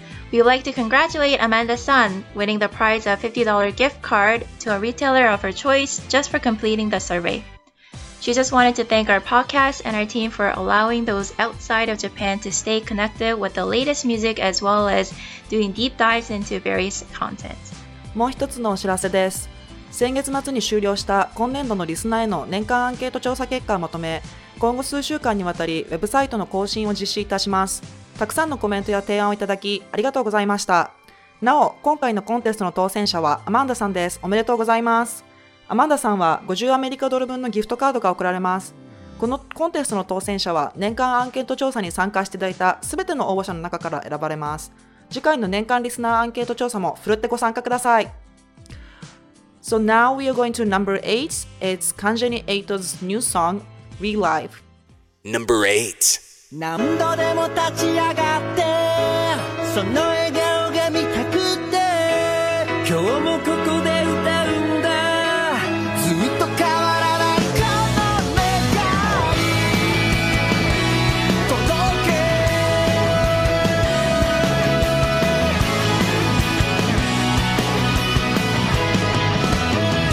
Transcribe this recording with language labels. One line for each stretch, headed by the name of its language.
English: We'd like to congratulate Amanda Sun, winning the prize of $50 gift card to a retailer of her choice just for completing the survey. She just wanted to thank our podcast and our team for allowing those outside of Japan to stay connected with the latest music as well as doing deep dives into various content.
Japanese: もう一つのお知らせです。先月末に終了した今年度のリスナーへの年間アンケート調査結果をまとめ、今後数週間にわたりウェブサイトの更新を実施いたします。たくさんのコメントや提案をいただきありがとうございました。なお、今回のコンテストの当選者はアマンダさんです。おめでとうございます。アマンダさんは50アメリカドル分のギフトカードが贈られます。このコンテストの当選者は年間アンケート調査に参加していただいたすべての応募者の中から選ばれます。次回の年間リスナーアンケート調査もふるってご参加ください。
English: So now we are going to number 8. It's Kanjeni Eito's new song, Relive. Number 8.
Japanese: 何度でも立ち上がってその笑顔が見たくて今日もここで歌うんだずっと変わらないこの願い